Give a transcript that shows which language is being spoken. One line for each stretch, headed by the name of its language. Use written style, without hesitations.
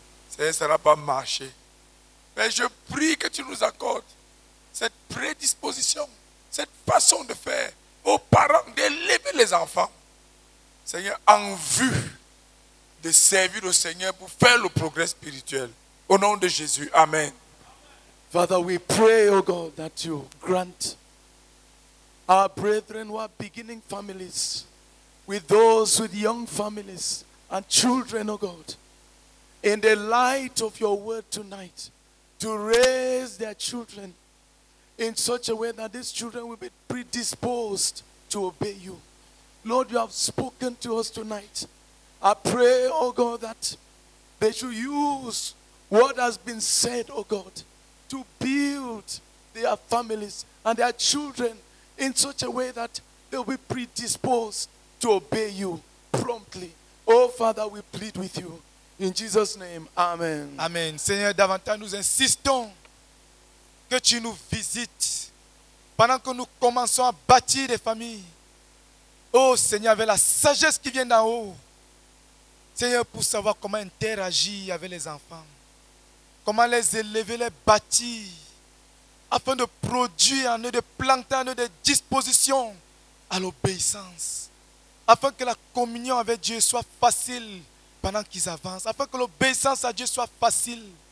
French: Seigneur, ça n'a pas marché. Mais je prie que tu nous accordes cette prédisposition, cette façon de faire aux parents d'élever les enfants, Seigneur, en vue de servir le Seigneur pour faire le progrès spirituel. Au nom de Jésus, amen.
English: Father, we pray, O God, that you grant our brethren who are beginning families, with those with young families and children, O God, in the light of your word tonight, to raise their children in such a way that these children will be predisposed to obey you. Lord, you have spoken to us tonight. I pray, oh God, that they should use what has been said, oh God, to build their families and their children in such a way that they will be predisposed to obey you promptly. Oh Father, we plead with you. In Jesus' name, amen. Amen.
French: Seigneur, davantage nous insistons que tu nous visites pendant que nous commençons à bâtir des familles. Oh Seigneur, avec la sagesse qui vient d'en haut. Seigneur, pour savoir comment interagir avec les enfants, comment les élever, les bâtir, afin de produire en eux, de planter en eux des dispositions à l'obéissance, afin que la communion avec Dieu soit facile pendant qu'ils avancent, afin que l'obéissance à Dieu soit facile.